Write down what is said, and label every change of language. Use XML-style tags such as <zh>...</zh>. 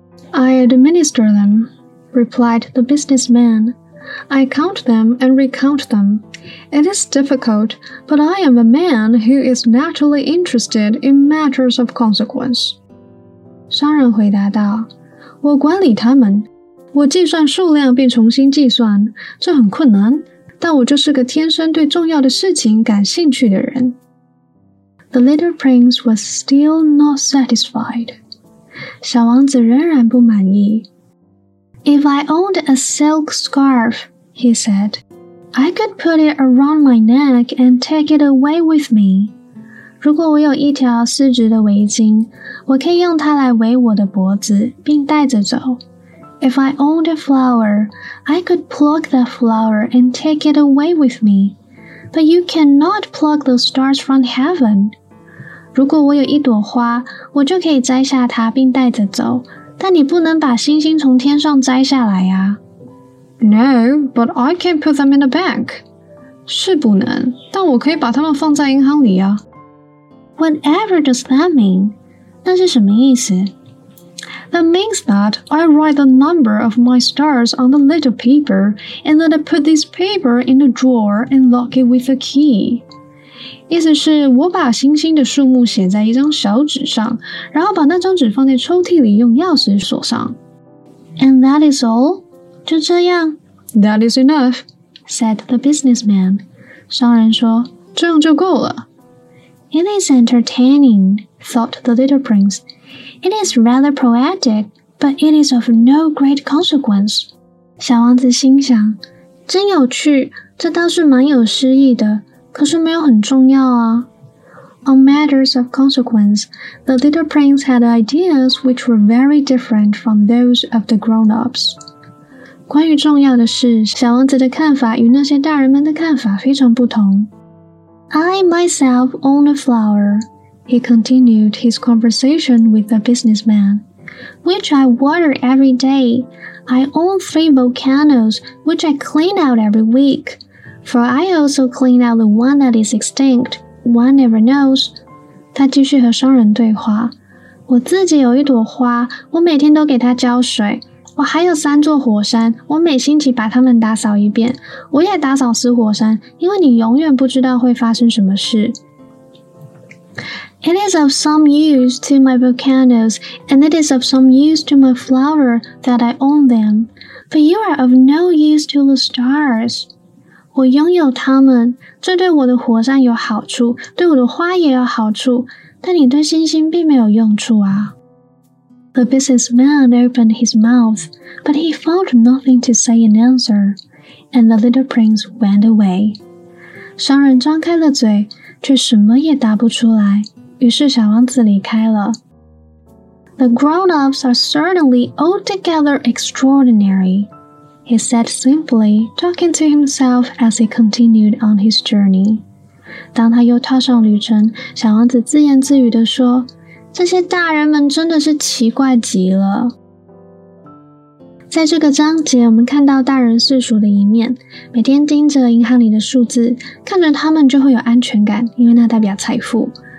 <en>I administer them, replied the businessman. I count them and recount them. It is difficult, but I am a man who is naturally interested in matters of consequence.</en> <zh>商人回答道，我管理他们，我计算数量并重新计算，这很困难，但我就是个天生对重要的事情感兴趣的人。</zh> <en>The little prince was still not satisfied.</en> <zh>小王子仍然不满意。</zh> <en>If I owned a silk scarf, he said, I could put it around my neck and take it away with me.</en> <zh>如果我有一条丝质的围巾，我可以用它来围我的脖子，并带着走。</zh> <en>If I owned a flower, I could pluck that flower and take it away with me. But you cannot pluck the stars from heaven.</en> <zh>如果我有一朵花，我就可以摘下它并带着走。但你不能把星星从天上摘下来呀。</zh> <en>No, but I can put them in a bank.</en> <zh>是不能，但我可以把它们放在银行里呀。</zh> <en>Whatever does that mean?</en> <zh>那是什么意思？</zh> <en>That means that I write the number of my stars on the little paper, and then I put this paper in a drawer and lock it with a key.</en> <zh>意思是我把星星的数目写在一张小纸上，然后把那张纸放在抽屉里用钥匙锁上。</zh> <en>And that is all?</en> <zh>就这样。</zh> <en>That is enough, said the businessman.</en> <zh>商人说，这样就够了。</zh> <en>It is entertaining, thought the little prince. It is rather poetic, but it is of no great consequence.</en> <zh>小王子心想，真有趣，这倒是蛮有诗意的，可是没有很重要啊。</zh> <en>On matters of consequence, the little prince had ideas which were very different from those of the grown-ups.</en> <zh>关于重要的事，小王子的看法与那些大人们的看法非常不同。</zh> <en>I myself own a flower, he continued his conversation with the businessman, which I water every day. I own 3 volcanoes, which I clean out every week, for I also clean out the one that is extinct. One never knows.</en> <zh>他继续和商人对话。我自己有一朵花，我每天都给它浇水。我还有3座火山，我每星期把它们打扫一遍。我也打扫死火山，因为你永远不知道会发生什么事。</zh> <en>It is of some use to my volcanoes, and it is of some use to my flower that I own them. But you are of no use to the stars.</en> <zh>我拥有它们，这对我的火山有好处，对我的花也有好处，但你对星星并没有用处啊。</zh> <en>The businessman opened his mouth, but he found nothing to say in answer, and the little prince went away.</en> <zh>商人张开了嘴，却什么也答不出来，于是小王子离开了。</zh> <en>The grown-ups are certainly altogether extraordinary. He said simply, talking to himself as he continued on his journey.</en> <zh>当他又踏上旅程，小王子自言自语地说，这些大人们真的是奇怪极了。在这个章节，我们看到大人岁数的一面，每天盯着银行里的数字，看着他们就会有安全感，因为那代表财富。</zh>